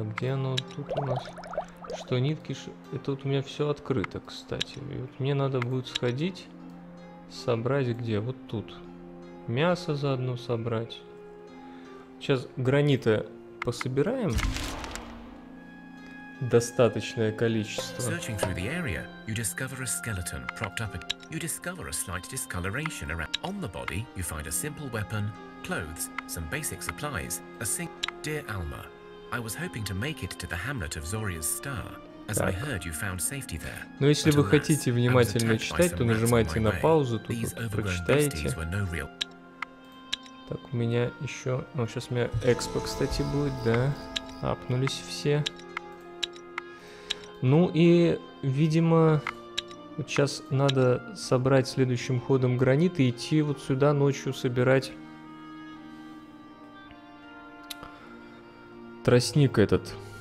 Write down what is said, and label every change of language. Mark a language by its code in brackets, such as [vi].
[ru] А где оно тут у нас? Что нитки? Это вот у меня все открыто, кстати. И вот мне надо будет сходить, собрать где? Вот тут. Мясо заодно собрать. Сейчас гранита пособираем. Достаточное количество. [en] Searching through the area, you discover a skeleton propped up. You discover a slight discoloration around. On the body, you find a simple weapon, clothes, some basic supplies, a sink. Dear Alma, I was hoping to make it to the hamlet of Zoria's Star, as I heard you found safety there. [ru] Но если вы хотите внимательно читать, то нажимайте на паузу, тут прочитаете. Так, у меня еще... Ну, сейчас у меня экспо, кстати, будет, да? Апнулись все. Ну и, видимо, вот сейчас надо собрать следующим ходом гранит и идти вот сюда ночью собирать тростник этот.